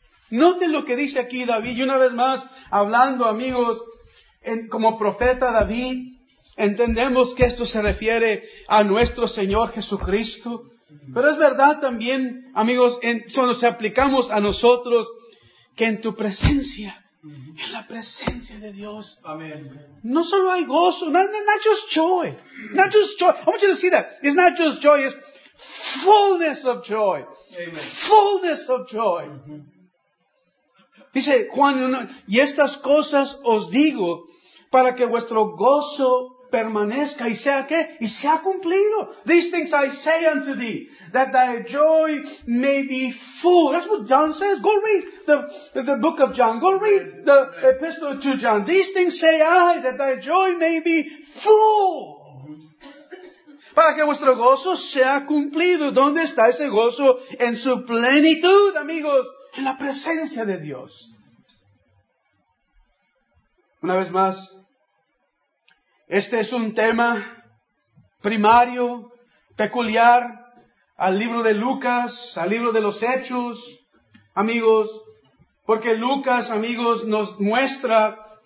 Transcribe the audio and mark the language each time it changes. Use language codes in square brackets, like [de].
[es] Note lo que dice aquí David, y una vez más, hablando amigos, como profeta David, entendemos que esto se refiere a nuestro Señor Jesucristo. Pero es verdad también, amigos, si aplicamos a nosotros, que en tu presencia, en la presencia de Dios, amén, no solo hay gozo, [en] not just joy. I want you to see that. It's not just joy, it's fullness of joy. Amen. Fullness of joy. Mm-hmm. [es] Dice Juan, y estas cosas os digo para que vuestro gozo permanezca y sea qué, y sea cumplido. [en] These things I say unto thee, that thy joy may be full. That's what John says. Go read the book of John. Go read the epistle to John. These things say I, that thy joy may be full. [es] Para que vuestro gozo sea cumplido. ¿Dónde está ese gozo? En su plenitud, amigos. En la presencia de Dios. Una vez más, este es un tema primario, peculiar al libro de Lucas, al libro de los Hechos, amigos, porque Lucas, amigos, nos muestra